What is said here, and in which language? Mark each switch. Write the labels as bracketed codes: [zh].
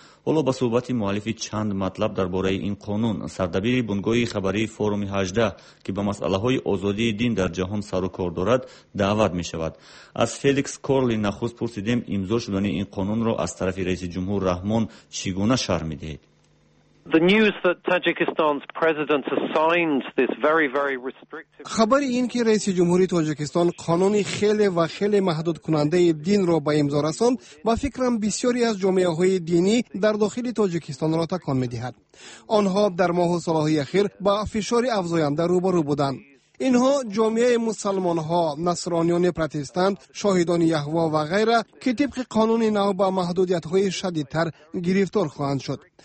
[fa] حالا به صحبت مؤلف چند مطلب درباره این قانون، سردبیر بنگاه خبری فورم 18 که به مسئله های آزادی دین در جهان سر و کار دارد دعوت می شود. از فلیکس کورلی نخست پرسیدیم امضا شدن این قانون را از طرف رئیس جمهور رحمان چگونه شرح می دهید؟ [en] The news that Tajikistan's president has signed this very, very restrictive. [fa] خبر این که رئیس جمهوری تاجیکستان قانون خیلی و خیلی محدود کننده دین را به امضا رساند، با فکرم بسیاری از جامعه های دینی در داخل تاجیکستان را تکان می‌دهد. آنها در ماه و سال‌های اخیر با فشار افزاینده روبرو بودند. اینها جامعه مسلمان ها، نصرانیان پروتستان، شاهدان یهوه و غیره که طبق قانون نو با محدودیت های شدیدتر گرفتار خواهند شد.